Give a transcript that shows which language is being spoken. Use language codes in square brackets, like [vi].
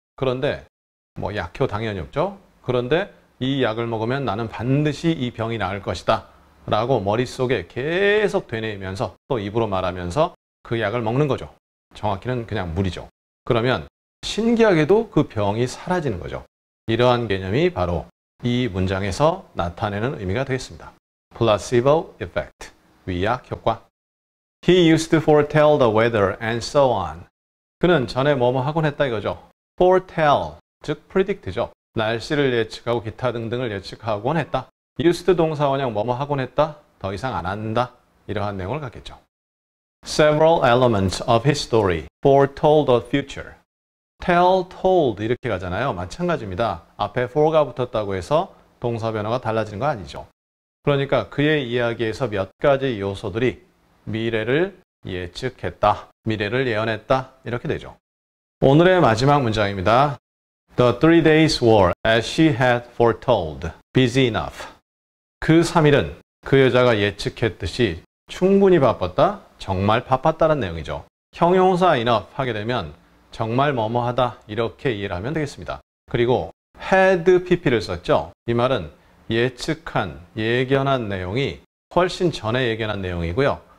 [ko] 그런데 뭐 약효 당연히 없죠. 그런데 이 약을 먹으면 나는 반드시 이 병이 나을 것이다 라고 머릿속에 계속 되뇌이면서 또 입으로 말하면서 그 약을 먹는 거죠. 정확히는 그냥 물이죠. 그러면 신기하게도 그 병이 사라지는 거죠. 이러한 개념이 바로 이 문장에서 나타내는 의미가 되겠습니다. [en] Placebo effect, [ko] 위약 효과. [en] He used to foretell the weather and so on. [ko] 그는 전에 뭐뭐 하곤 했다 이거죠. Foretell, 즉 predict죠. 날씨를 예측하고 기타 등등을 예측하곤 했다. used 동사 원형 뭐뭐 하곤 했다. 더 이상 안 한다. 이러한 내용을 갖겠죠. [en] Several elements of his story foretold the future. [ko] Tell, told 이렇게 가잖아요. 마찬가지입니다. 앞에 for가 붙었다고 해서 동사 변화가 달라지는 거 아니죠. 그러니까 그의 이야기에서 몇 가지 요소들이 미래를 예측했다. 미래를 예언했다. 이렇게 되죠. 오늘의 마지막 문장입니다. [en] The three days were as she had foretold. Busy enough. [ko] 그 3일은 그 여자가 예측했듯이 충분히 바빴다, 정말 바빴다는 내용이죠. 형용사 enough 하게 되면 정말 뭐뭐하다 이렇게 이해를 하면 되겠습니다. 그리고 had pp를 썼죠. 이 말은 예측한, 예견한 내용이 훨씬 전에 예견한 내용이고요.